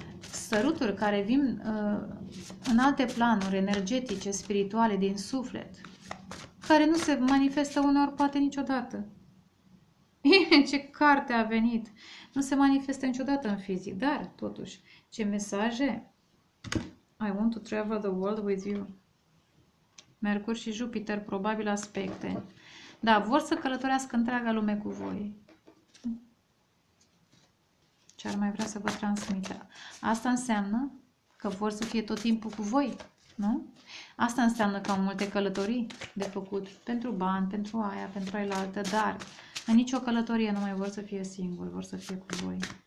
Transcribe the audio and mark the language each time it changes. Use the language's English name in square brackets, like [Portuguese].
[Romanian] Săruturi care vin în alte planuri energetice, spirituale, din suflet, care nu se manifestă uneori, poate niciodată. Ce carte a venit! Nu se manifestă niciodată în fizic, dar, totuși, ce mesaje! [English] I want to travel the world with you. [Romanian] Mercur și Jupiter, probabil aspecte. Da, vor să călătorească întreaga lume cu voi. Ce ar mai vrea să vă transmită? Asta înseamnă că vor să fie tot timpul cu voi, nu? Asta înseamnă că au multe călătorii de făcut pentru bani, pentru aia, pentru aia la altă, dar în nicio călătorie nu mai vor să fie singuri, vor să fie cu voi.